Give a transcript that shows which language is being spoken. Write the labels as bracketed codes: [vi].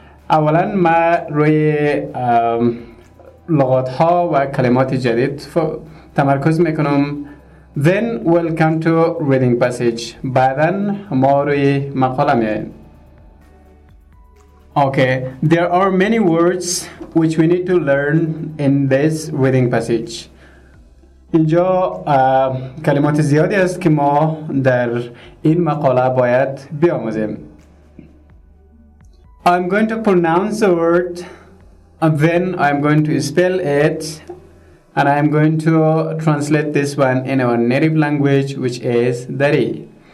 [fa] اولاً ما روی لغت‌ها و کلمات جدید تمرکز میکنم. [en] Then we'll come to reading passage. [fa] بعدن ما روی مقاله میاییم. [en] Okay, there are many words which we need to learn in this reading passage. [fa] اینجا کلمات زیادی است که ما در این مقاله باید بیاموزیم. [en] I'm going to pronounce the word and then I'm going to spell it. And I am going to translate this one in our native language, which is Dari.